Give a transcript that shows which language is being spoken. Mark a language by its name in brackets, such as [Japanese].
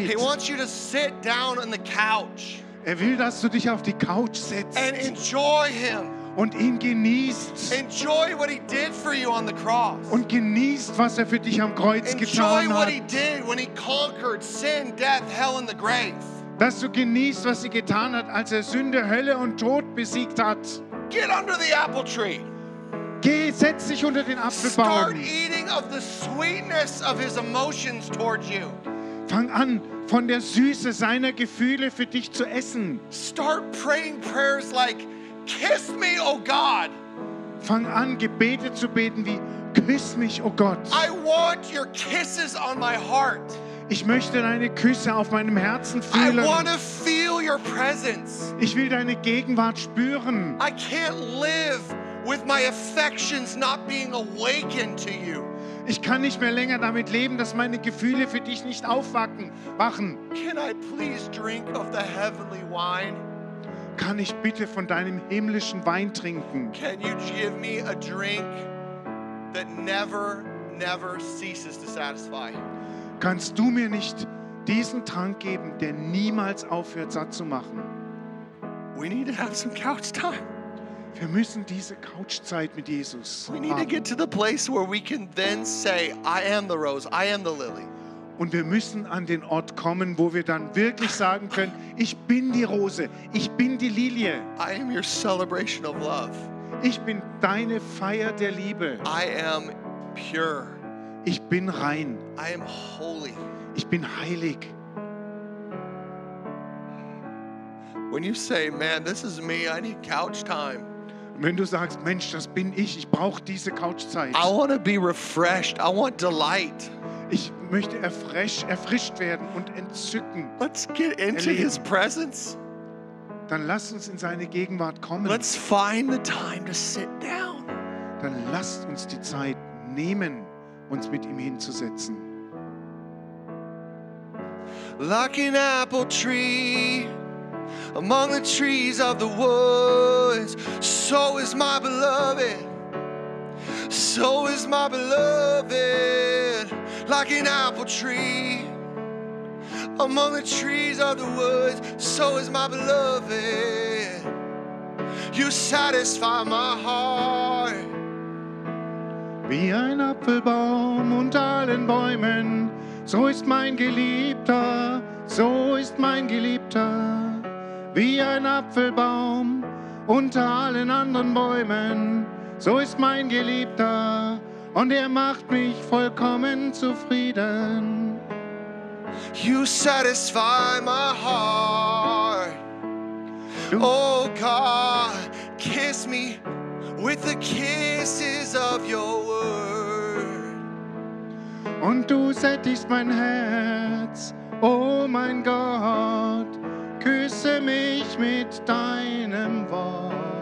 [English] He wants you to sit down on the couch. [German] Er will, dass du dich auf die Couch setzt. [English] And enjoy him. [German] Und ihn genießt. [English] Enjoy what he did for you on the cross. [German] Und genießt, was er für dich am Kreuz [English] enjoy [German] getan hat. [English] Enjoy what he did when he conquered sin, death, hell and the grave. [German] Dass du genießt, was er getan hat, als er Sünde, Hölle und Tod besiegt hat. [English] Get under the apple tree. [German] Geh, setz dich unter den Apfelbaum. [English] Start eating of the sweetness of his emotions towards you. [German] Fang an, von der Süße seiner Gefühle für dich zu essen. [English] Start praying prayers like, kiss me, oh God. [German] Fang an, Gebete zu beten wie, küss mich, oh Gott. [English] I want your kisses on my heart. [German] Ich möchte deine Küsse auf meinem Herzen fühlen. [English] I want to feel your presence. [German] Ich will deine Gegenwart spüren. [English] I can't live with my affections not being awakened to you. [German] Ich kann nicht mehr länger damit leben, dass meine Gefühle für dich nicht aufwachen. [English] Can I please drink of the heavenly wine? [German] Kann ich bitte von deinem himmlischen Wein trinken? [English] Can you give me a drink that never, never ceases to satisfy? [German] Kannst du mir nicht diesen Trank geben, der niemals aufhört, satt zu machen? [English] We need to have some couch time. [German] Wir müssen diese Couchzeit mit Jesus haben. [English] We need to get to the place where we can then say, I am the rose, I am the lily. [German] Und wir müssen an den Ort kommen, wo wir dann wirklich sagen können, ich bin die Rose, ich bin die Lilie. [English] I am your celebration of love. [German] Ich bin deine Feier der Liebe. [English] I am pure. [German] Ich bin rein. [English] I am holy. [German] Ich bin heilig. [English] When you say, man, this is me, I need couch time. [German] Wenn du sagst, Mensch, das bin ich, ich brauche diese Couchzeit. [English] I want to be refreshed. I want delight. [German] Ich möchte erfrischt werden und entzücken. [English] Let's get into [German] erleben. [English] His presence. [German] Dann lass uns in seine Gegenwart kommen. [English] Let's find the time to sit down. [German] Dann lasst uns die Zeit nehmen, uns mit ihm hinzusetzen. [English] Like an apple tree among the trees of the woods, so is my beloved, so is my beloved. Like an apple tree Among the trees are the woods, so is my beloved. You satisfy my heart. [German] Wie ein Apfelbaum unter allen Bäumen, so ist mein Geliebter, so ist mein Geliebter. Wie ein Apfelbaum unter allen anderen Bäumen, so ist mein Geliebter, und er macht mich vollkommen zufrieden. [English] You satisfy my heart. Oh God, kiss me with the kisses of your word. [German] Und du sättigst mein Herz, oh mein Gott, küsse mich mit deinem Wort.